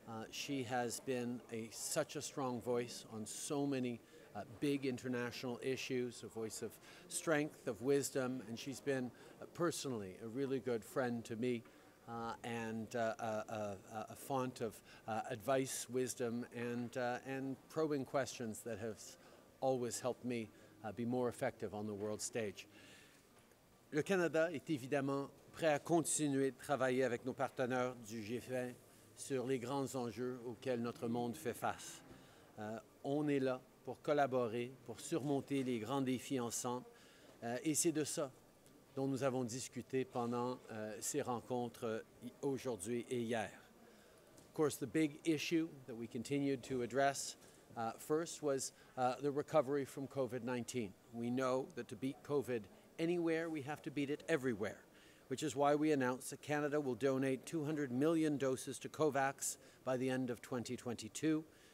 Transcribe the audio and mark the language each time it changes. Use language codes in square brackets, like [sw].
[en] She has been such a strong voice on so many big international issues, a voice of strength, of wisdom, and she's been personally a really good friend to me and a font of advice, wisdom, and probing questions that have always helped me be more effective on the world stage. [fr] Le Canada est évidemment prêt à continuer de travailler avec nos partenaires du G20 sur les grands enjeux auxquels notre monde fait face. On est là pour collaborer, pour surmonter les grands défis ensemble, et c'est de ça dont nous avons discuté pendant ces rencontres aujourd'hui et hier. [en] Of course, the big issue that we continued to address first was the recovery from COVID-19. We know that to beat COVID anywhere, we have to beat it everywhere, which is why we announced that Canada will donate 200 million doses to COVAX by the end of 2022.